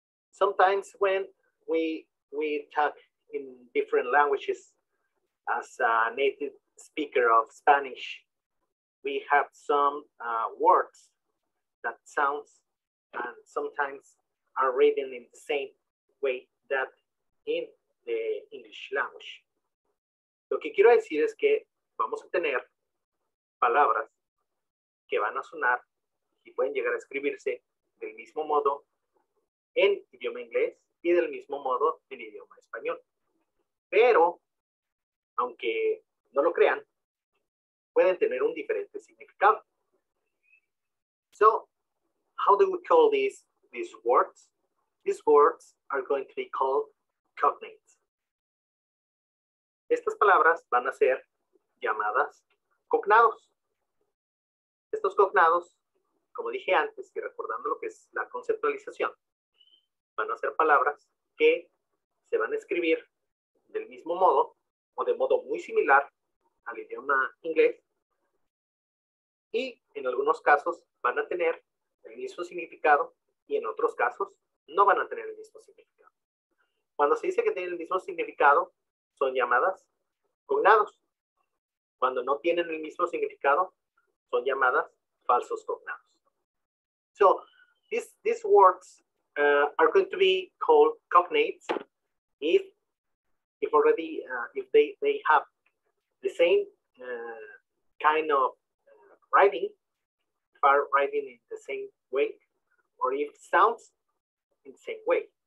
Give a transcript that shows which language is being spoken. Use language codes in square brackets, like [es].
[en] Sometimes when we talk in different languages as a native speaker of Spanish, we have some words that sounds and sometimes are written in the same way that in the English language. [es] Lo que quiero decir es que vamos a tener palabras que van a sonar y pueden llegar a escribirse del mismo modo en idioma inglés y del mismo modo en idioma español. Pero, aunque no lo crean, pueden tener un diferente significado. [en] So, how do we call these words? These words are going to be called cognates. [es] Estas palabras van a ser llamadas cognados. Estos cognados, como dije antes, y recordando lo que es la conceptualización, van a ser palabras que se van a escribir del mismo modo o de modo muy similar al idioma inglés y en algunos casos van a tener el mismo significado y en otros casos no van a tener el mismo significado. Cuando se dice que tienen el mismo significado, son llamadas cognados. Cuando no tienen el mismo significado, son llamadas falsos cognados. [en] So, these words are going to be called cognates if they have the same kind of writing, if are writing in the same way, or if sounds in the same way.